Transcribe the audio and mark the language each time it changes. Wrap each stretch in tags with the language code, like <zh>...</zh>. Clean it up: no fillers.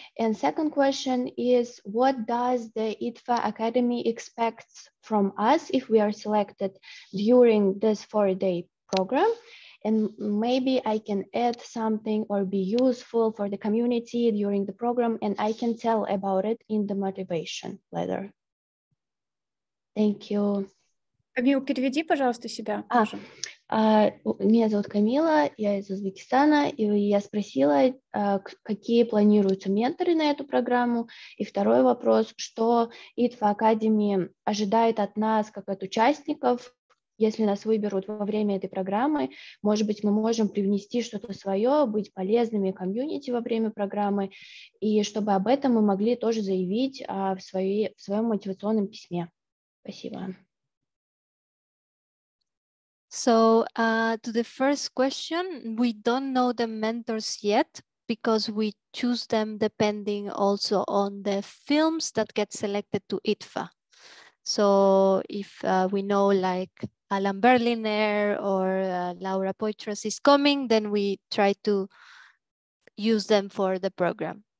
<en>And second question is, what does the IDFA Academy expect from us if we are selected during this four-day program? And maybe I can add something or be useful for the community during the program, and I can tell about it in the motivation letter. Thank you.</en> <ru>Камил, переведи, пожалуйста, себя. Меня зовут Камила, я из Узбекистана, и я спросила, какие планируются менторы на эту программу. И второй вопрос, что IDFA Academy ожидает от нас, как от участников, если нас выберут во время этой программы, может быть, мы можем привнести что-то свое, быть полезными комьюнити во время программы, и чтобы об этом мы могли тоже заявить в своем мотивационном письме. Спасибо.</ru> <en>So, to the first question, we don't know the mentors yet, because we choose them depending also on the films that get selected to IDFA. So, if we know, like, Alan Berliner or Laura Poitras is coming, then we try to use them for the program.</en>